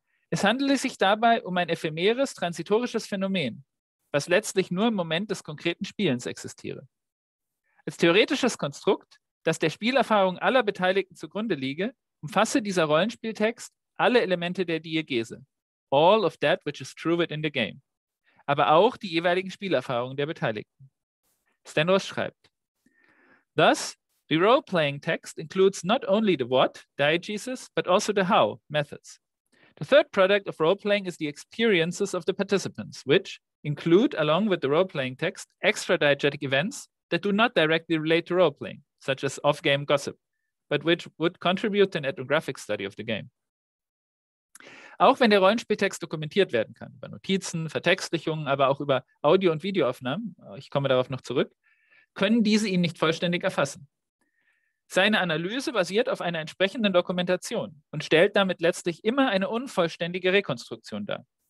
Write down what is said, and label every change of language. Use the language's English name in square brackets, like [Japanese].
[German] Es handelte sich dabei um ein ephemeres, transitorisches Phänomen, was letztlich nur im Moment des konkreten Spielens existiere. Als theoretisches Konstrukt, das der Spielerfahrung aller Beteiligten zugrunde liege, umfasse dieser Rollenspieltext alle Elemente der Diegese, [English] all of that which is true within the game, [German] aber auch die jeweiligen Spielerfahrungen der Beteiligten. [English] Stenros [German] schreibt, [English] thus, the role-playing text includes not only the what, diegesis, but also the how, methods. The third product of role-playing is the experiences of the participants, which include, along with the role-playing text, extra diegetic events that do not directly relate to role-playing, such as off-game gossip, but which would contribute to an ethnographic study of the game. [German] Auch wenn der Rollenspieltext dokumentiert werden kann, über Notizen, Vertextlichungen, aber auch über Audio- und Videoaufnahmen, ich komme darauf noch zurück, können diese ihn nicht vollständig erfassen. Seine Analyse basiert auf einer entsprechenden Dokumentation und stellt damit letztlich immer eine unvollständige Rekonstruktion dar.